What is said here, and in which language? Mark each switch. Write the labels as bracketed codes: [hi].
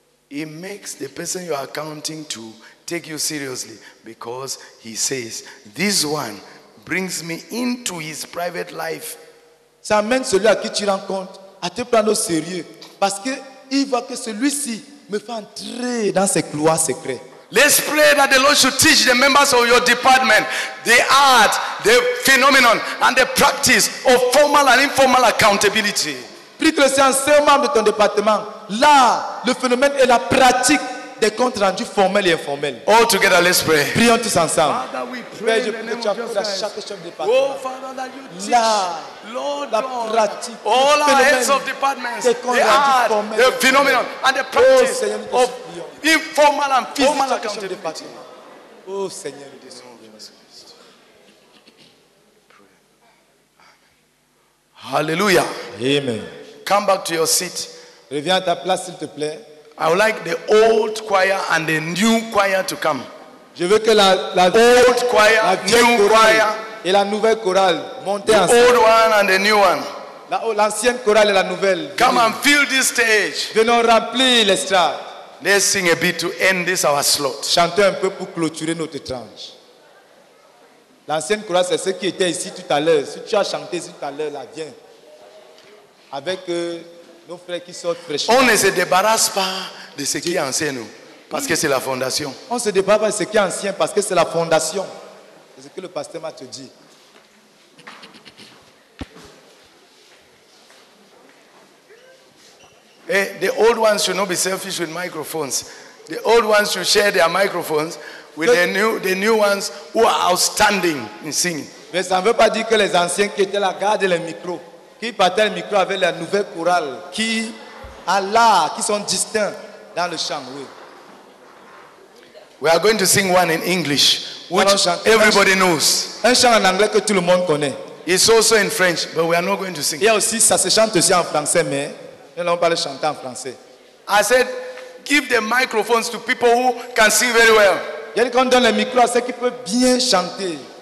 [en] It makes the person you are accounting to take you seriously because he says, this one brings me into his private life. [fr] Ça amène celui à qui tu rends compte à te prendre au sérieux parce que il voit que celui-ci me fait entrer dans ses couloirs secrets. [en] Let's pray that the Lord should teach the members of your department the art, the phenomenon, and the practice of formal and informal accountability. [fr] Prie que le Seigneur enseigne aux membres de ton département l'art, le phénomène et la pratique des comptes rendus formels et informels. [en] All together, let's pray. [fr] Prions tous ensemble. [en] Father, we pray [fr] Père, [en] in the name of Jesus. [fr] Chaque chef de département. [en] Oh, Father, that you teach. Lord [fr] la [en] God, [fr] pratique, [en] all our heads of departments, the art, the phenomenon, and the practice of informal and formal accountability. Oh, Seigneur, in the name of Jesus Christ. Pray. Hallelujah. Amen. Come back to your seat. [fr] Reviens à ta place, s'il te plaît. [en] I would like the old choir and the new choir to come. [fr] Je veux que la [en] old choir, [fr] la [en] new choir, [fr] et la nouvelle chorale montent [en] ensemble. Old one and the new one. [fr] L'ancienne chorale et la nouvelle. [en] Come and fill this stage. [fr] Venons remplir l'estrade. [en] Let's sing a bit to end this our slot. [fr] Chantons un peu pour clôturer notre tranche. L'ancienne chorale, c'est ceux qui étaient ici tout à l'heure. Si tu as chanté tout à l'heure, là, viens. Avec nos frères qui sortent fraîchement. On ne se débarrasse pas de ce qui est ancien, nous. Parce que c'est la fondation. On se débarrasse de ce qui est ancien parce que c'est la fondation. C'est ce que le pasteur m'a te dit. [en] Hey, the old ones should not be selfish with microphones. The old ones should share their microphones with the new ones who are outstanding in singing. [fr] Mais ça ne veut pas dire que les anciens qui étaient là gardent les micros. Qui partaient le micro avec la nouvelle chorale qui a l'art, qui sont distincts dans le chant, oui. [en] We are going to sing one in English, which everybody knows. [fr] Un chant en anglais que tout le monde connaît. [en] It's also in French, but we are not going to sing. [fr] Et aussi, ça se chante aussi en français, mais nous n'allons pas le chanter en français. [en] I said, give the microphones to people who can sing very well. [fr] Il y a dit qu'on donne le micro à ceux qui peuvent bien chanter.